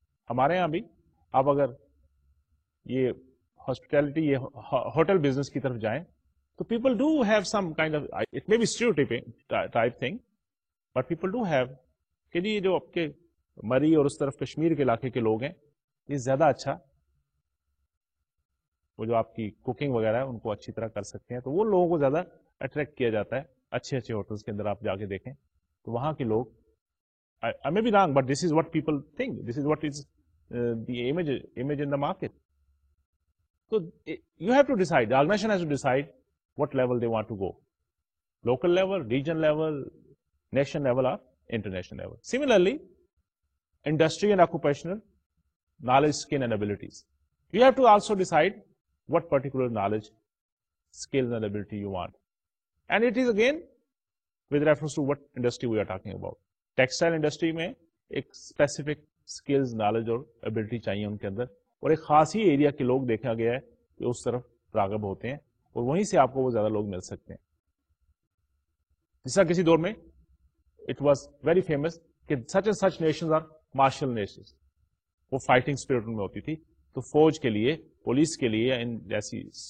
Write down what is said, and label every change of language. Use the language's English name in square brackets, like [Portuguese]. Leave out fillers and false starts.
[Urdu] ہمارے یہاں بھی آپ اگر یہ ہاسپٹیلٹی, یہ ہوٹل بزنس کی طرف جائیں تو [English] people do have some kind of, it may be stereotyping type thing, but people do have [Urdu] کہ جی جو آپ کے مری اور اس طرف کشمیر کے علاقے کے لوگ ہیں یہ زیادہ اچھا, وہ جو آپ کی کوکنگ وغیرہ ہے ان کو اچھی طرح کر سکتے ہیں. تو وہ لوگوں کو زیادہ اٹریکٹ کیا جاتا ہے. اچھے اچھے ہوٹلس کے اندر آپ جا کے دیکھیں تو وہاں کے لوگ, [English] I may be wrong, but this is what people think. This is what is the image in the market. So you have to decide. The organization has to decide what level they want to go. Local level, region level, nation level or international level. Similarly, industry and occupational knowledge, skill and abilities. You have to also decide what particular knowledge, skill and ability you want. And it is again with reference to what industry we are talking about. [Urdu] Textile industry میں ایک specific skills, knowledge اور ability چاہیے ان کے اندر, اور ایک خاص ہی area کے لوگ دیکھا گیا ہے کہ اس طرف راغب ہوتے ہیں اور وہیں سے آپ کو وہ زیادہ لوگ مل سکتے ہیں. جس طرح کسی دور میں [English] it was very famous [Urdu] کہ [English] such and such nations are martial nations, [Urdu] وہ فائٹنگ اسپرٹ میں ہوتی تھی, تو فوج کے لیے, پولیس کے لیے, ان جیسی